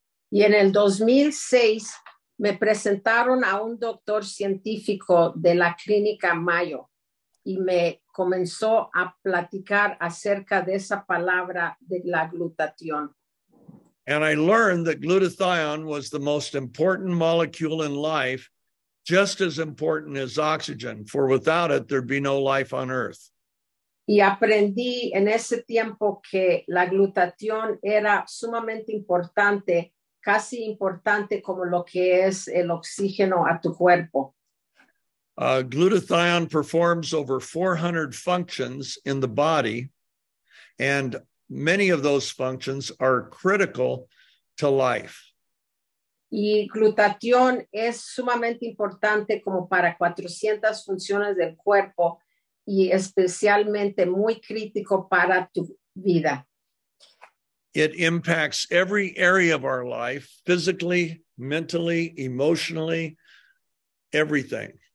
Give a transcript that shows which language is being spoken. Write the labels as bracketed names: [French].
[Spanish] Y en el 2006, me presentaron a un doctor científico de la clínica Mayo y me comenzó a platicar acerca de esa palabra de la glutatión. [English] And I learned that glutathione was the most important molecule in life, just as important as oxygen, for without it, there'd be no life on earth. [Spanish] Y aprendí en ese tiempo que la glutatión era sumamente importante, casi importante como lo que es el oxígeno a tu cuerpo. [English] Glutathione performs over 400 functions in the body, and many of those functions are critical to life. [Spanish] Y glutatión es sumamente importante como para 400 funciones del cuerpo y especialmente muy crítico para tu vida. [English] It impacts every area of our life, physically, mentally, emotionally, everything.